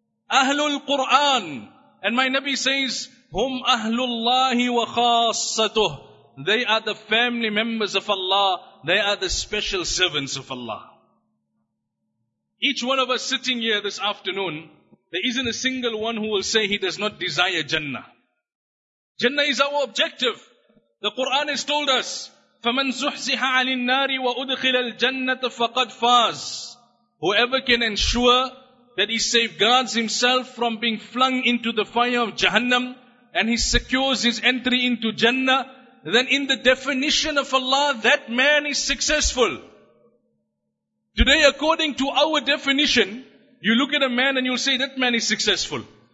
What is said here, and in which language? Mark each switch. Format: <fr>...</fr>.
<en>Ahlul Quran. And my Nabi says,</en> <ar>Hum ahlullahi wa khassatuh.</ar> <en>They are the family members of Allah. They are the special servants of Allah. Each one of us sitting here this afternoon, there isn't a single one who will say he does not desire Jannah. Jannah is our objective. The Quran has told us,</en> <ar>فَمَنْ زُحْزِحَ عَلِ النَّارِ وَأُدْخِلَ الْجَنَّةَ فَقَدْ فَازْ.</ar> <en>Whoever can ensure that he safeguards himself from being flung into the fire of Jahannam, and he secures his entry into Jannah, then in the definition of Allah, that man is successful. Today, according to our definition, you look at a man and you'll say, that man is successful.</en>